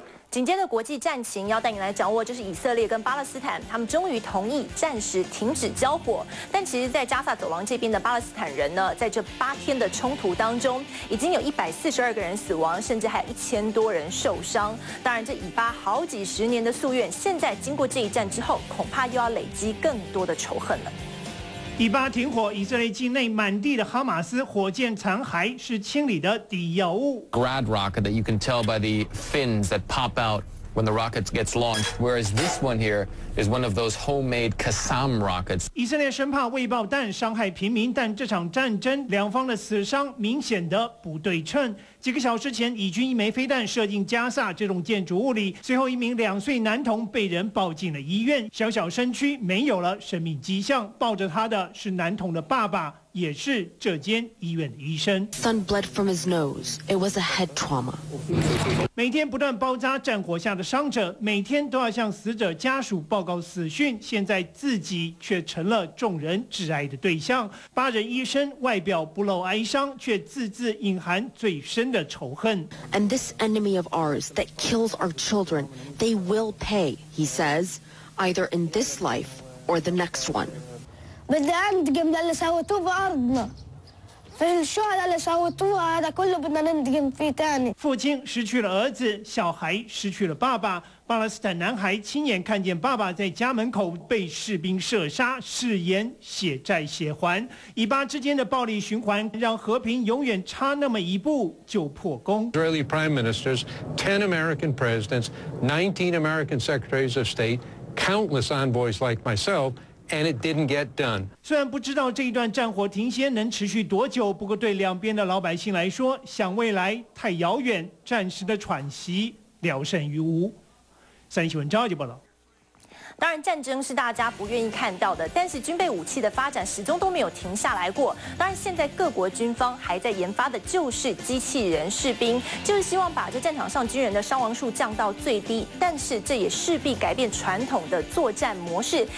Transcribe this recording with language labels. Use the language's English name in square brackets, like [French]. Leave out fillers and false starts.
[Chinese] 紧接着国际战情要带你来掌握，就是以色列跟巴勒斯坦他们终于同意暂时停止交火，但其实在加萨走廊这边的巴勒斯坦人呢，在这8天的冲突当中已经有142个人死亡，甚至还有1000多人受伤，当然这以巴好几十年的夙愿现在经过这一战之后，恐怕又要累积更多的仇恨了。以巴停火，以色列境内满地的哈马斯火箭残骸是清理的底药物。 [English] Grad rocket that you can tell by the fins that pop out when the rocket gets launched, whereas this one here is one of those homemade Qassam rockets. [Chinese] 以色列生怕未爆弹伤害平民，但这场战争两方的死伤明显的不对称。几个小时前，以军一枚飞弹射进加萨这栋建筑物里，随后一名2岁男童被人抱进了医院，小小身躯没有了生命迹象，抱着他的是男童的爸爸，也是这间医院的医生。 [English] Son bled from his nose. It was a head trauma. [Chinese] 每天不断包扎战火下的伤者，每天都要向死者家属报告死讯，现在自己却成了众人挚爱的对象。巴人医生外表不露哀伤，却字字隐含最深的仇恨。 [English] And this enemy of ours that kills our children, they will pay, he says, either in this life or the next one. [Arabic] بدي أندقم للي سويتوه بأرضنا في الشهداء اللي سويتوه هذا كله بدنا نندقم فيه تاني [Chinese] 父亲失去了儿子，小孩失去了爸爸，巴勒斯坦男孩亲眼看见爸爸在家门口被士兵射杀，誓言血债血还。以巴之间的暴力循环让和平永远差那么一步就破功。 [English] Israeli prime ministers, 10 American presidents, 19 American secretaries of state, countless envoys like myselfAnd it didn't get done. [Chinese] 虽然不知道这一段战火停歇能持续多久，不过对两边的老百姓来说，想未来太遥远，暂时的喘息聊胜于无。三立新闻赵杰报道。当然战争是大家不愿意看到的，但是军备武器的发展始终都没有停下来过，当然现在各国军方还在研发的就是机器人士兵，就是希望把这战场上军人的伤亡数降到最低，但是这也势必改变传统的作战模式。